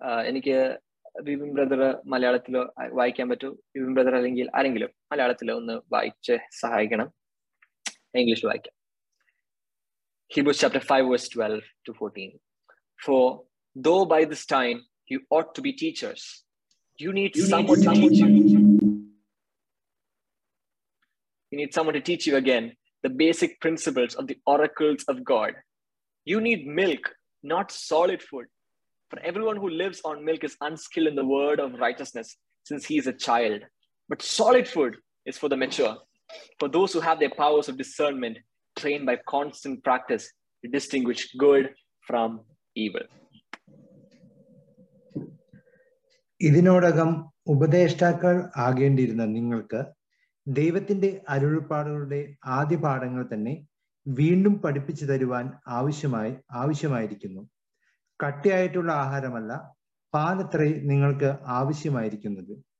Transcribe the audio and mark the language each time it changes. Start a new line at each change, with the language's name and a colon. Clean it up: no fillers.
Malayalam: എനിക്ക് വിവിൻ ബ്രദർ മലയാളത്തിൽ വായിക്കാൻ പറ്റൂ, വിവിൻ ബ്രദർ അല്ലെങ്കിൽ ആരെങ്കിലും മലയാളത്തിൽ ഒന്ന് വായിച്ച് സഹായിക്കണം. ഇംഗ്ലീഷ് വായിക്കാം.
English: Hebrews chapter 5 verse 12 to 14. For though by this time you ought to be teachers, you need someone to teach you. You need someone to teach you again the basic principles of the oracles of God. You need milk, not solid food. For everyone who lives on milk is unskilled in the word of righteousness, since he is a child. But solid food is for the mature, for those who have their powers of discernment trained by constant practice to distinguish good from evil.
Malayalam: ഇതിനോടകം ഉപദേഷ്ടാക്കൾ ആകേണ്ടിരുന്ന നിങ്ങൾക്ക് ദൈവത്തിന്റെ അരുളപ്പാടുകളുടെ ആദ്യ പാഠങ്ങൾ തന്നെ വീണ്ടും പഠിപ്പിച്ചു തരുവാൻ ആവശ്യമായിരിക്കുന്നു. കട്ടിയായിട്ടുള്ള ആഹാരമല്ല പാലത്രേ നിങ്ങൾക്ക് ആവശ്യമായിരിക്കുന്നത്.